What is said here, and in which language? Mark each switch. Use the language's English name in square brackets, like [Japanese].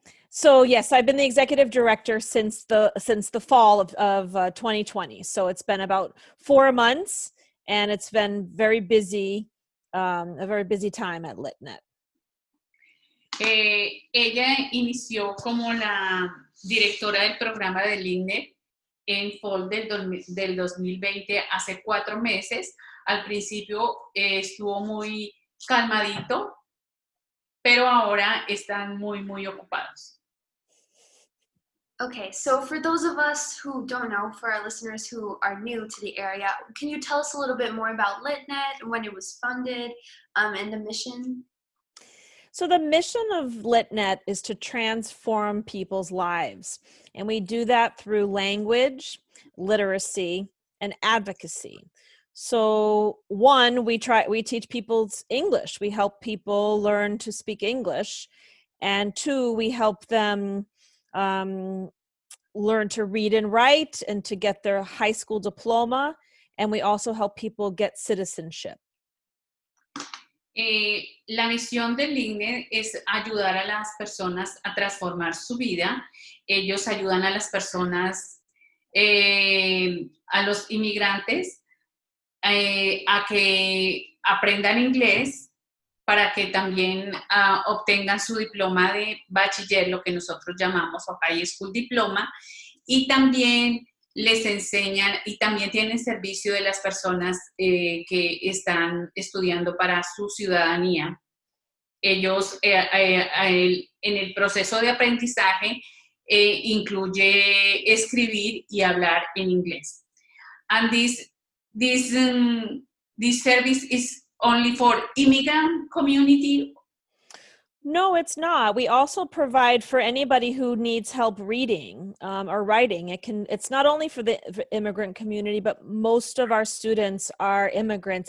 [English] So yes, I've been the executive director since the fall of 2020. So it's been about 4 months, and it's been very busy, a very busy time at LitNet. [Spanish] Ella inició como la directora del programa de LitNet en fall del 2020, hace 4 meses. Al principio estuvo muy calmadito, pero ahora están muy, muy ocupados. [English] Okay, so for those of us who don't know, for our listeners who are new to the area, can you tell us a little bit more about LitNet and when it was funded and the mission? So the mission of LitNet is to transform people's lives. And we do that through language, literacy, and advocacy. So one, we teach people's English. We help people learn to speak English. And two, we help them learn to read and write and to get their high school diploma, and we also help people get citizenship. [Spanish] La misión de LitNet es ayudar a las personas a transformar su vida. Ellos ayudan a las personas, a los inmigrantes, a que aprendan inglés para que también obtengan su diploma de bachiller, lo que nosotros llamamos [English] high school diploma, [Spanish] y también les enseñan y también tienen servicio de las personas que están estudiando para su ciudadanía. Ellos, en el proceso de aprendizaje, incluye escribir y hablar en inglés. [English] And this service is only for immigrant community? No, it's not. We also provide for anybody who needs help reading or writing. It's not only for the immigrant community, but most of our students are immigrants.